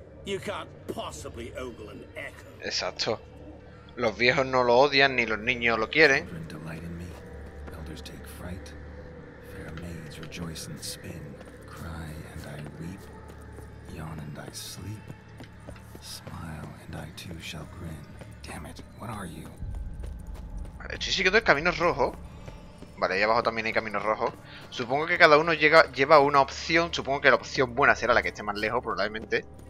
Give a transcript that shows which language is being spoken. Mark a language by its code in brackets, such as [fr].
[en] You can't possibly ogle an echo. [es] Exacto. Los viejos no lo odian ni los niños lo quieren. [en] Children delight in me. Elders take fright. Fair maids rejoice and spin. Cry and I weep. Yawn and I sleep. Smile and I too shall grin. Damn it, what are you? [es] Vale, estoy siguiendo el camino rojo. Vale, ahí abajo también hay camino rojo. Supongo que cada uno lleva una opción. Supongo que la opción buena será la que esté más lejos, probablemente.